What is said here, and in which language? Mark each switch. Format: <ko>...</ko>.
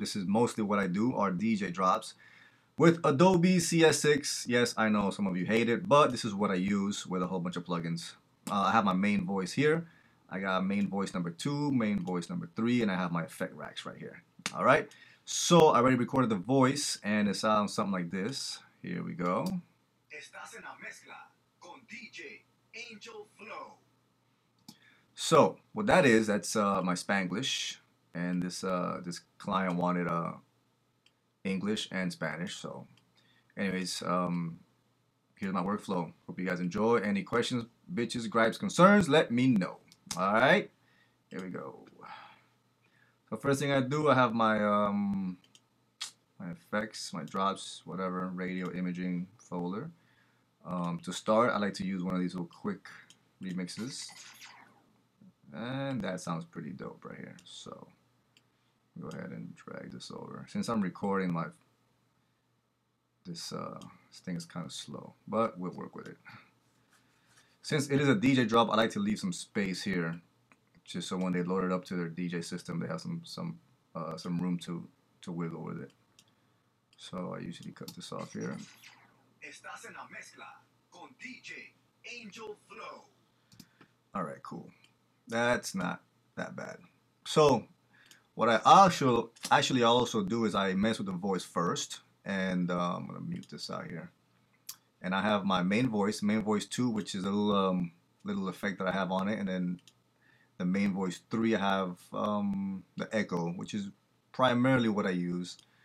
<en>This is mostly what I do, are DJ drops with Adobe CS6. Yes, I know some of you hate it, but this is what I use with a whole bunch of plugins. I have my main voice here. I got main voice number 2, main voice number 3, and I have my effect racks right here. All right, so I already recorded the voice, and it sounds something like this. Here we go.</en> <es>Estás en la mezcla con DJ Angel Flow.</es> <en>So, what that is, that's my Spanglish, and this client wanted English and Spanish. So, anyways, here's my workflow. Hope you guys enjoy. Any questions, bitches, gripes, concerns, let me know. All right, here we go. So first thing I do, I have my my effects, my drops, whatever, radio imaging folder. To start, I like to use one of these little quick remixes. And that sounds pretty dope right here. So go ahead and drag this over. Since I'm recording, this thing is kind of slow, but we'll work with it. Since it is a DJ drop, I like to leave some space here just so when they load it up to their DJ system, they have some room to wiggle with it. So I usually cut this off here.</en> <es>Estás en la mezcla con DJ Angel Flow.</es> <en>All right, cool. That's not that bad. So what I actually also do is I mess with the voice first, and I'm going to mute this out here. And I have my main voice 2, which is a little effect that I have on it. And then the main voice 3, I have the echo, which is primarily what I use.</en>